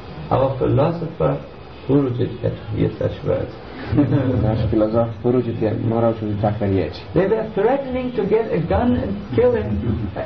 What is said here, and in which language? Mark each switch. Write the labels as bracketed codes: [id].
[en] Our philosopher Purujit had to hear such words. [hr] Naš filozof Purujit je morao čuti takve riječi. [en] They were threatening to get a gun and kill him.